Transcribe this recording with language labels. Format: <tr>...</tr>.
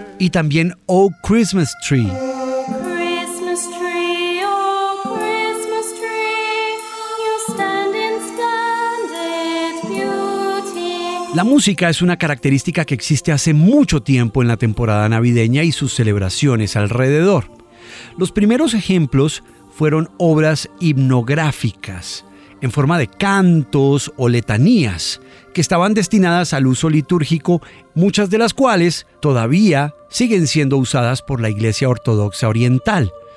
<es>Y también O Christmas Tree.</es> <en>Christmas tree, oh Christmas tree, you stand in standard beauty.</en> <es>La música es una característica que existe hace mucho tiempo en la temporada navideña y sus celebraciones alrededor. Los primeros ejemplos fueron obras himnográficas, en forma de cantos o letanías, que estaban destinadas al uso litúrgico, muchas de las cuales todavía siguen siendo usadas por la Iglesia Ortodoxa Oriental.</es>